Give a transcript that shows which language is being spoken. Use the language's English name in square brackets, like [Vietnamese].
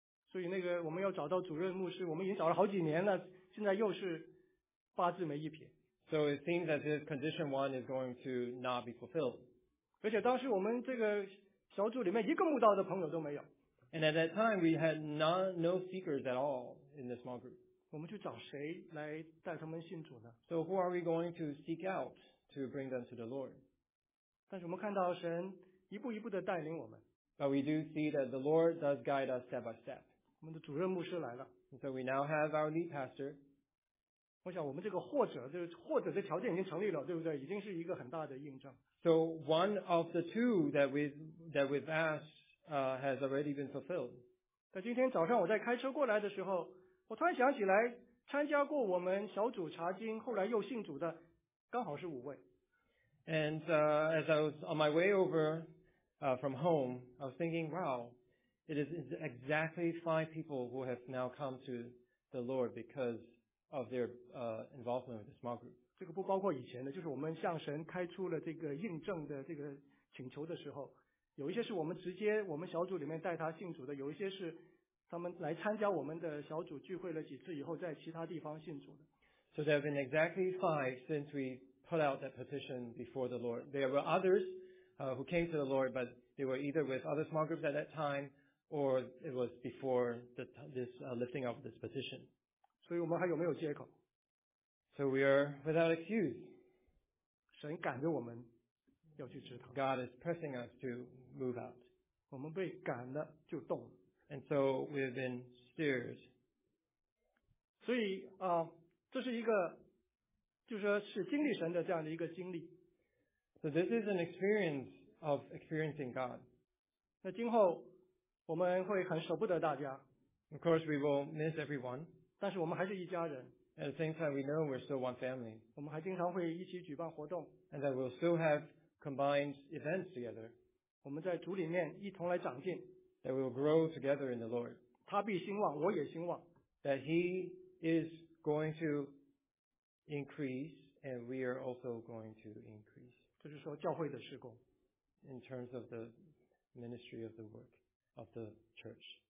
[Chinese] 所以那个我们要找到主任牧师，我们已经找了好几年了，现在又是八字没一撇。 [English] So it seems as if condition one is going to not be fulfilled. [Chinese] 而且当时我们这个小组里面一个慕道的朋友都没有。 [English] And at that time we had no seekers at all in the small group. [Chinese] 我们去找谁来带他们信主呢 [English] ？So who are we going to seek out to bring them to the Lord? [Chinese] 但是我们看到神一步一步的带领我们。 [English] But we do see that the Lord does guide us step by step. [Chinese] 我们的主任牧师来了。 [English] And so we now have our lead pastor. [Chinese] 我想我们这个或者，就是或者的条件已经成立了，对不对？已经是一个很大的印证。 [English] So one of the two that we've asked has already been fulfilled. [Chinese] 在今天早上我在开车过来的时候，我突然想起来参加过我们小组查经，后来又信主的，刚好是五位。 [English] And as I was on my way over. From home, I was thinking, wow, it is exactly five people who have now come to the Lord because of their involvement with the small group. [Chinese] 这个不包括以前的，就是我们向神开出了这个印证的这个请求的时候，有一些是我们直接我们小组里面带他信主的，有一些是他们来参加我们的小组聚会了几次以后，在其他地方信主的。 [English] So there have been exactly five since we put out that petition before the Lord. There were others. Who came to the Lord, but they were either with other small groups at that time, or it was before lifting of this petition. [Chinese] 所以我们还有没有借口？ [English] So we are without excuse. [Chinese] 神赶着我们要去职堂。 [English] God is pressing us to move out. [Chinese] 我们被赶了就动。 [English] And so we've been steered. [Chinese] 所以这是一个，就是说是经历神的这样的一个经历。 [English] So this is an experience of experiencing God. [Chinese] 那今后我们会很舍不得大家。 [English] Of course, we will miss everyone. [Chinese] 但是我们还是一家人。 [English] At the same time, we know we're still one family. [Chinese] 我们还经常会一起举办活动。 [English] And that we'll still have combined events together. [Chinese] 我们在主里面一同来长进。 [English] That we'll grow together in the Lord. [Chinese] 他必兴旺，我也兴旺。 [English] That He is going to increase, and we are also going to increase. [Chinese] 这是说教会的事工。 [English] In terms of the ministry of the work of the church.